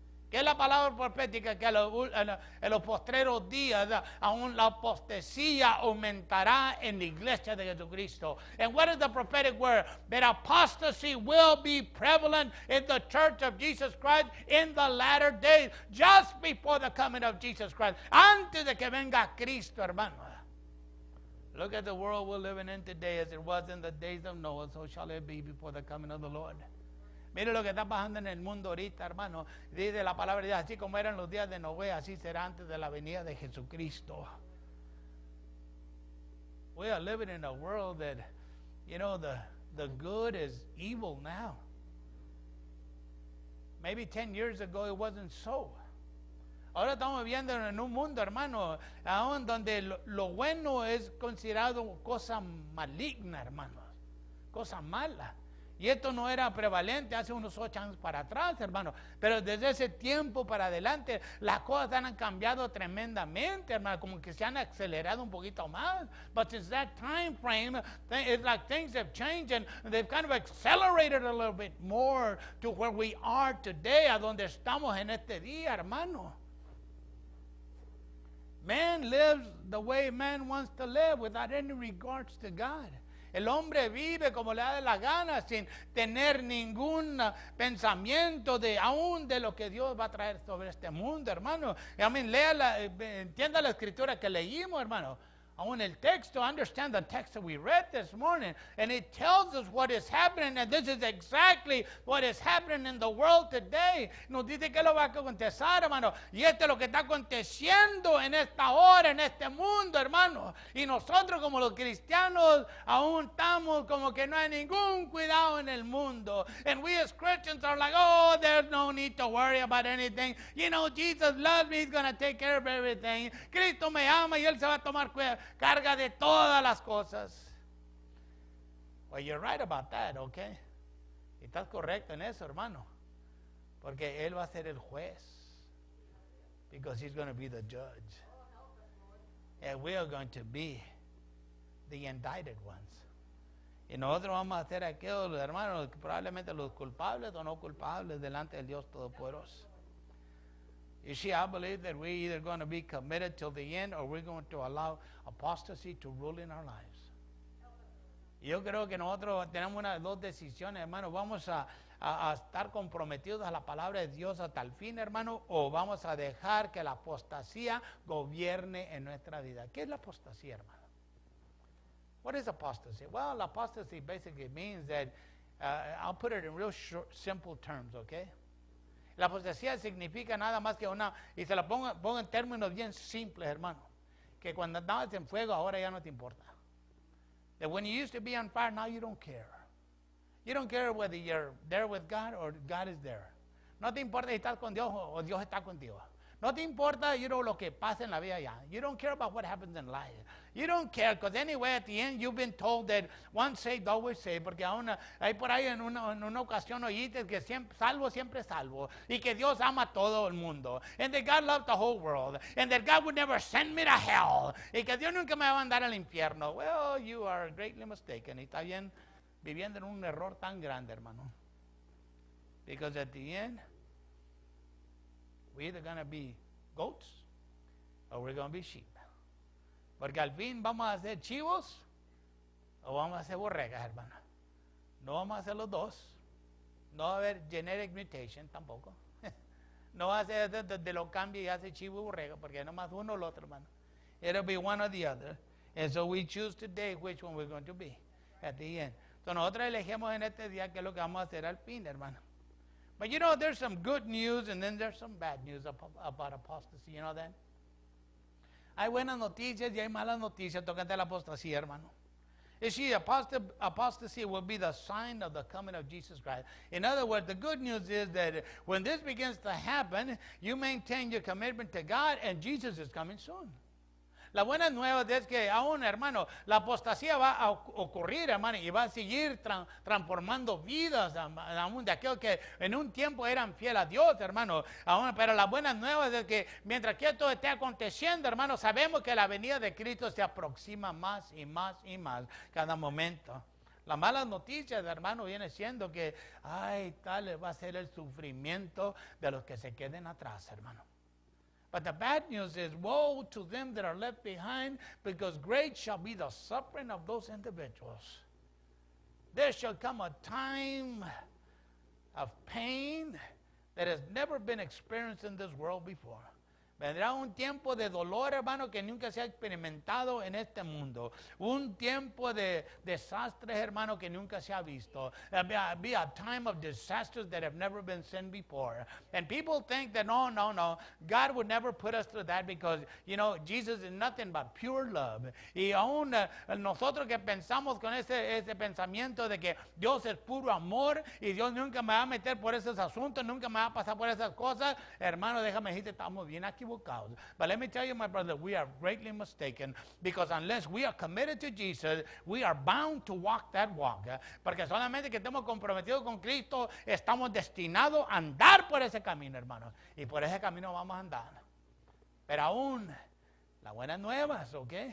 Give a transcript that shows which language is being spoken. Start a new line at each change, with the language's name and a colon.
Spanish: ¿Qué es la palabra profética? Que en los postreros días, aún la apostasía aumentará en la iglesia de Jesucristo.
English: And what is the prophetic word? That apostasy will be prevalent in the church of Jesus Christ in the latter days, just before the coming of Jesus Christ.
Spanish: Antes de que venga Cristo, hermano.
English: Look at the world we're living in today as it was in the days of Noah, so shall it be before the coming of the Lord.
Spanish: Mire lo que está pasando en el mundo ahorita, hermano. Dice la palabra de Dios, así como eran los días de Noé, así será antes de la venida de Jesucristo.
English: We are living in a world that, you know, the good is evil now. Maybe 10 years ago it wasn't so.
Spanish: Ahora estamos viviendo en un mundo, hermano, aún donde lo bueno es considerado cosa maligna, hermano, cosa mala. Y esto no era prevalente hace unos 8 años para atrás, hermano. Pero desde ese tiempo para adelante, las cosas han cambiado tremendamente, hermano. Como que se han acelerado un poquito más.
English: But since that time frame, it's like things have changed and they've kind of accelerated a little bit more to where we are today,
Spanish: a donde estamos en este día, hermano.
English: Man lives the way man wants to live without any regards to God.
Spanish: El hombre vive como le da la gana sin tener ningún pensamiento de aún de lo que Dios va a traer sobre este mundo, hermano.
English: I mean,
Spanish: entienda la escritura que leímos, hermano. Aún el texto,
English: understand the text that we read this morning. And it tells us what is happening, and this is exactly what is happening in the world today.
Spanish: Nos dice que lo va a acontecer, hermano. Y esto es lo que está aconteciendo en esta hora, en este mundo, hermano. Y nosotros como los cristianos, aún estamos como que no hay ningún cuidado en el mundo.
English: And we as Christians are like, oh, there's no need to worry about anything. You know, Jesus loves me, he's going to take care of everything.
Spanish: Cristo me ama y él se va a tomar cuidado. Carga de todas las cosas.
English: Well, you're right about that, okay?
Spanish: Y estás correcto en eso, hermano. Porque él va a ser el juez.
English: Because he's going to be the judge. And we are going to be the indicted ones.
Spanish: Y nosotros vamos a ser aquellos, hermanos, probablemente los culpables o no culpables delante del Dios Todopoderoso.
English: You see, I believe that we're either going to be committed till the end or we're going to allow apostasy to rule in our lives.
Spanish: Yo creo que nosotros tenemos una dos decisiones, hermano. Vamos a estar comprometidos a la palabra de Dios hasta el fin, hermano, o vamos a dejar que la apostasía gobierne en nuestra vida. ¿Qué es la apostasía, hermano?
English: What is apostasy? Well, apostasy basically means that, I'll put it in real short, simple terms, okay?
Spanish: La apostasía significa nada más que una, y se la pongo en términos bien simples, hermano, que cuando andabas en fuego, ahora ya no te importa.
English: That when you used to be on fire, now you don't care. You don't care whether you're there with God or God is there.
Spanish: No te importa si estás con Dios o Dios está contigo. No te importa,
English: you know,
Spanish: lo que pasa en la vida ya.
English: You don't care about what happens in life. You don't care, because anyway, at the end, you've been told that once saved, always saved.
Spanish: Porque aún hay por ahí en una ocasión oíste que siempre, salvo, siempre salvo. Y que Dios ama a todo el mundo.
English: And that God loved the whole world. And that God would never send me to hell.
Spanish: Y que Dios nunca me va a mandar al infierno.
English: Well, you are greatly mistaken.
Spanish: Y está bien viviendo en un error tan grande, hermano.
English: Because at the end, we're either going to be goats or we're going to be sheep.
Spanish: Porque al fin vamos a ser chivos o vamos a ser borregas, hermano. No vamos a ser los dos. No va a haber genetic mutation tampoco. No va a ser de lo cambie y hace chivo y borrega, porque no más uno o el otro, hermano.
English: It'll be one or the other. And so we choose today which one we're going to be at the end.
Spanish: Entonces nosotros elegimos en este día qué es lo que vamos a hacer al fin, hermano.
English: But you know, there's some good news and then there's some bad news about apostasy. You know that?
Spanish: Hay buenas noticias y hay malas noticias tocante la apostasía, hermano.
English: You see, apostasy will be the sign of the coming of Jesus Christ. In other words, the good news is that when this begins to happen, you maintain your commitment to God and Jesus is coming soon.
Spanish: La buena nueva es que aún, hermano, la apostasía va a ocurrir, hermano, y va a seguir transformando vidas aún de aquellos que en un tiempo eran fieles a Dios, hermano. Aún, pero la buena nueva es que mientras que esto esté aconteciendo, hermano, sabemos que la venida de Cristo se aproxima más y más y más cada momento. La mala noticia, hermano, viene siendo que, ay, tal va a ser el sufrimiento de los que se queden atrás, hermano.
English: But the bad news is, woe to them that are left behind, because great shall be the suffering of those individuals. There shall come a time of pain that has never been experienced in this world before.
Spanish: Vendrá un tiempo de dolor, hermano, que nunca se ha experimentado en este mundo. Un tiempo de desastres, hermano, que nunca se ha visto.
English: Be a time of disasters that have never been seen before. And people think that, no, no, no, God would never put us through that because, you know, Jesus is nothing but pure love.
Spanish: Y aún nosotros que pensamos con ese pensamiento de que Dios es puro amor y Dios nunca me va a meter por esos asuntos, nunca me va a pasar por esas cosas, hermano, déjame decirte, estamos bien aquí.
English: But let me tell you, my brother, we are greatly mistaken, because unless we are committed to Jesus, we are bound to walk that walk.
Spanish: Porque solamente que estemos comprometidos con Cristo, estamos destinados a andar por ese camino, hermano. Y por ese camino vamos a andar. Pero aún, las buenas nuevas, ¿ok?